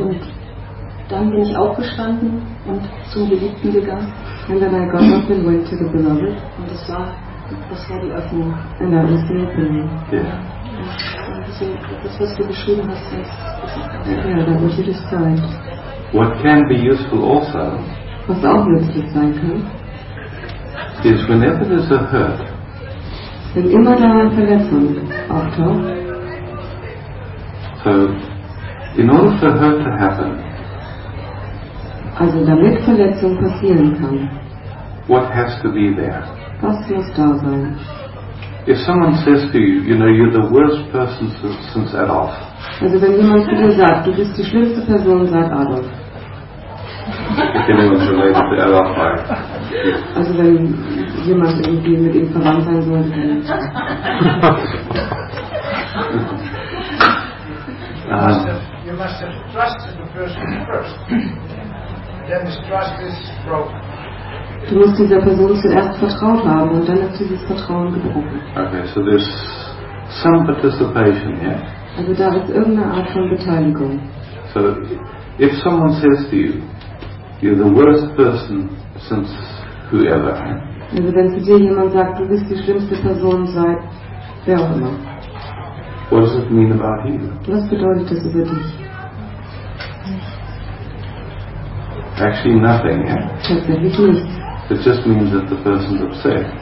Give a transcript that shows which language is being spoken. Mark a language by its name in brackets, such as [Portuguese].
[German] Und dann bin ich aufgestanden und zum Geliebten gegangen. [English] And then I got up and went to the beloved. [German] Und das war die Öffnung. [English] And that was the opening. Yeah. [German] Das, was du beschrieben hast, das ist ja, das [English] what can be useful also, [German] was auch nützlich sein kann, [English] is whenever there's a hurt, [German] wenn immer da eine Verletzung auftaucht. [English] So, in order for hurt to happen, [German] also damit Verletzung passieren kann, [English] what has to be there? [German] Was muss da sein? [English] If someone says to you, you know, you're the worst person since Adolf. [German] Also wenn jemand zu dir sagt, du bist die schlimmste Person seit Adolf. [English] If anyone's related to Adolf, I... Yeah. [German] Also wenn jemand irgendwie mit ihm verwandt sein sollte, dann... [English] You must have trusted the person first. Then this trust is broken. [German] Du musst dieser Person zuerst vertraut haben und dann hat sie dieses Vertrauen gebrochen. [English] Okay, so there's some participation here. [German] Also da ist irgendeine Art von Beteiligung. [English] So, if someone says to you, you're the worst person since whoever. [German] Also wenn zu dir jemand sagt, du bist die schlimmste Person seit wer auch immer. [English] What does it mean about you? [German] Was bedeutet das über dich? [English] Actually nothing, yeah? [German] Tatsächlich nicht. [English] It just means that the person's upset.